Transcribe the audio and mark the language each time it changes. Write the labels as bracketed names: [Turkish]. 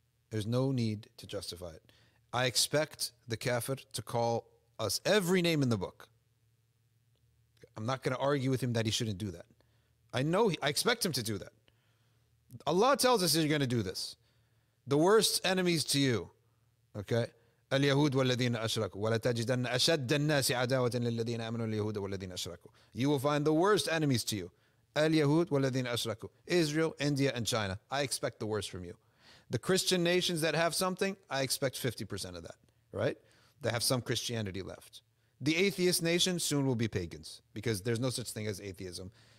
[English] There's no need to justify it. I expect the kafir to call us every name in the book. I'm not going to argue with him that he shouldn't do that. I expect him to do that. Allah tells us that you're going to do this. The worst enemies to you, okay? [Arabic] اليهود والذين أشركوا ولا تجدن أشد الناس عداوة للذين آمنوا اليهود والذين أشركوا. [English] You will find the worst enemies to you. [Arabic] اليهود والذين أشركوا. [English] Israel, India and China. I expect the worst from you. The Christian nations that have something, I expect 50% of that, right? They have some Christianity left. The atheist nation soon will be pagans because there's no such thing as atheism.